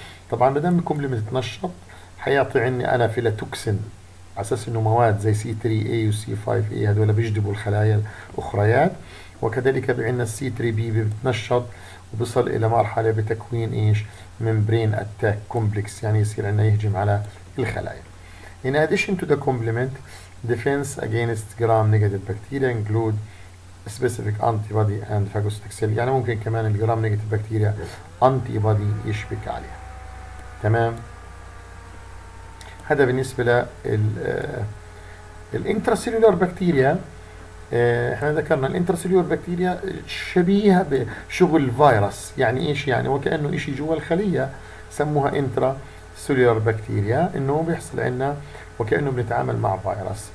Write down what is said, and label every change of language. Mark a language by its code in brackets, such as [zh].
[ar] طبعا ما دام الكومبلمنت تنشط حيعطي عندي انا فيلاتوكسين، على اساس انه مواد زي سي 3 اي وسي 5 اي هذول بيجذبوا الخلايا الاخريات، وكذلك بعنا السي 3 بي بتنشط وبصل الى مرحله بتكوين ايش؟ ممبرين اتاك كومبلكس، يعني يصير عندنا يهجم على الخلايا. [en] In addition to the complement, defense against gram negative bacteria include specific antibody and phagocytic cell. [ar] يعني ممكن كمان الجرام نيجاتيف بكتيريا انتيبادي يشبك عليها. تمام؟ هذا بالنسبة للـ intracellular بكتيريا. احنا ذكرنا الـ intracellular بكتيريا شبيهة بشغل الفيروس، يعني ايش يعني؟ وكأنه اشي جوا الخلية، سموها intracellular بكتيريا، انه بيحصل عندنا وكأنه بنتعامل مع فيروس.